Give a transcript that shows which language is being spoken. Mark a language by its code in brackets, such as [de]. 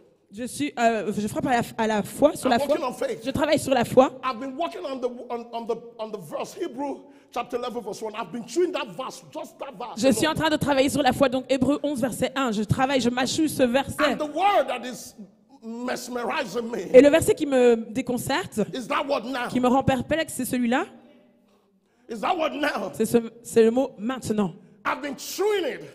[fr] Je frappe à la foi, sur la foi. Je travaille sur la foi. [en] I've been working on the verse Hebrew chapter 11 verse 1. I've been chewing that verse, just that verse. [fr] Je suis en train de travailler sur la foi, donc Hébreu 11 verset 1. Je travaille, je mâchouille ce verset. [en] And the word that is mesmerizing me. [fr] Et le verset qui me déconcerte, [en] is that word now? [fr] Qui me rend perplexe, c'est celui-là. [en] Is that word now? [fr] C'est le mot maintenant. [en] I've been chewing it.